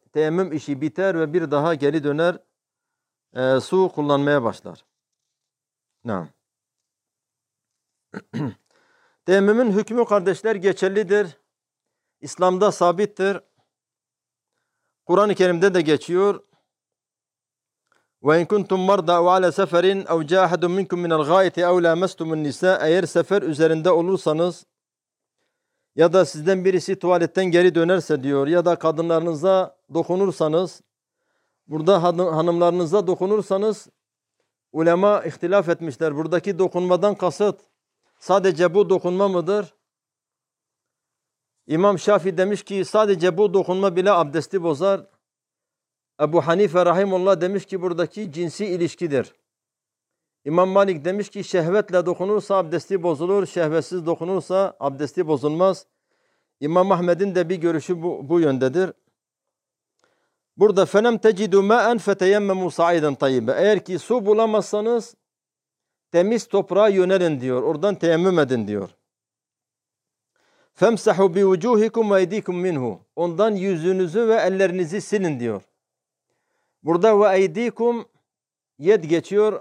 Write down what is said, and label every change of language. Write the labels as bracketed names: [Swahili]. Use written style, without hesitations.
[Turkish] Teyemmüm işi biter ve bir daha geri döner, su kullanmaya başlar. Teyemmümün hükmü kardeşler geçerlidir. İslam'da sabittir. Kur'an-ı Kerim'de de geçiyor. [Arabic] وَاِنْ كُنْتُمْ مَرْضَ وَعَلَى سَفَرٍ اَوْ جَاهَدٌ مِنْكُمْ مِنَ الْغَائِتِ اَوْ لَا مَسْتُمُ النِّسَاءَ. [Turkish] Eğer sefer üzerinde olursanız Ya da sizden birisi tuvaletten geri dönerse diyor, ya da kadınlarınıza dokunursanız, burada hanımlarınıza dokunursanız, ulema ihtilaf etmişler. Buradaki dokunmadan kasıt sadece bu dokunma mıdır? İmam Şafii demiş ki sadece bu dokunma bile abdesti bozar. Ebu Hanife Rahimullah demiş ki buradaki cinsi ilişkidir. İmam Malik demiş ki şehvetle dokunursa abdesti bozulur, şehvetsiz dokunursa abdesti bozulmaz. İmam Ahmed'in de bir görüşü bu yöndedir. Burada [Arabic] فَنَمْ تَجِدُ مَاً فَتَيَمَّمُوا سَعِيدًا طَيِّبًا. [Turkish] Eğer ki su bulamazsanız temiz toprağa yönelin diyor, oradan teyemmüm edin diyor. [Arabic] فَمْسَحُوا بِوُجُوهِكُمْ وَاَيْدِيكُمْ مِنْهُ. [Turkish] Ondan yüzünüzü ve ellerinizi silin diyor. Burada وَاَيْدِيكُمْ yed geçiyor.